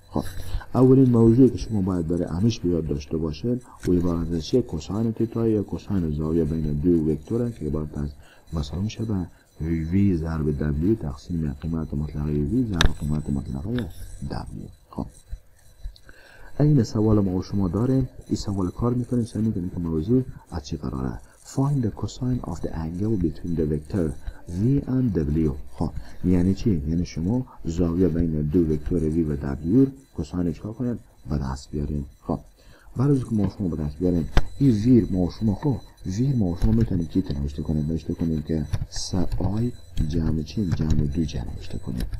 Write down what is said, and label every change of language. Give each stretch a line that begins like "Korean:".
Persian: خب اولین موضوعی که شما باید برای همیش بیاد داشته باشید و عبارت از چیه؟ کوساین تیتا یا کوساین زاویه بین دو وکتور که عبارت از مثلا میشه به وی ضرب دبلیو تقسیم قیمت مطلقه وی ضرب قیمت مطلقه دبلیو. خب این سوال ما و شما داریم این سوال کار میکنیم سعی میکنیم که موضوع از چی قراره.
English: Find the cosine of the angle between the vector v and w.
Persian: خب یعنی چی؟ یعنی شما زاویه بین دو وکتور v و w کوساین چیکار کنید؟ به دست بیارین. خب برای که ما و شما به دست بیارین این v ما و شما خب v ما و شما میتونیم چی تنوشته کنیم؟ نوشته کنیم که س آی جمع چی؟ جمع دو جمع نوشته کنیم.